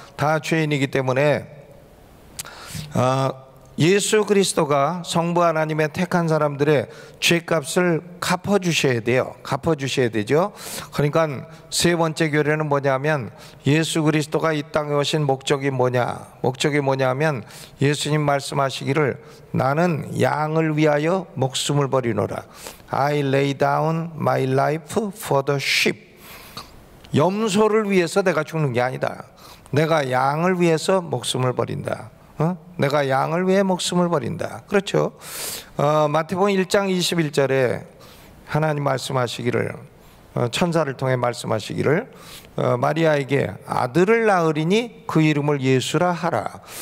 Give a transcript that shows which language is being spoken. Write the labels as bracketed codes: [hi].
[ko] 다 죄인이기 때문에 예수 그리스도가 성부 하나님의 택한 사람들의 죄값을 갚아주셔야 돼요. 갚아주셔야 되죠. 그러니까 세 번째 교리는 뭐냐면 예수 그리스도가 이 땅에 오신 목적이 뭐냐. 목적이 뭐냐면 예수님 말씀하시기를 나는 양을 위하여 목숨을 버리노라. [en] I lay down my life for the sheep. [ko] 염소를 위해서 내가 죽는 게 아니다. 내가 양을 위해서 목숨을 버린다. 내가 양을 위해 목숨을 버린다. 그렇죠. 마태복음 1장 21절에 하나님 말씀하시기를 천사를 통해 말씀하시기를 마리아에게 아들을 낳으리니 그 이름을 예수라 하라.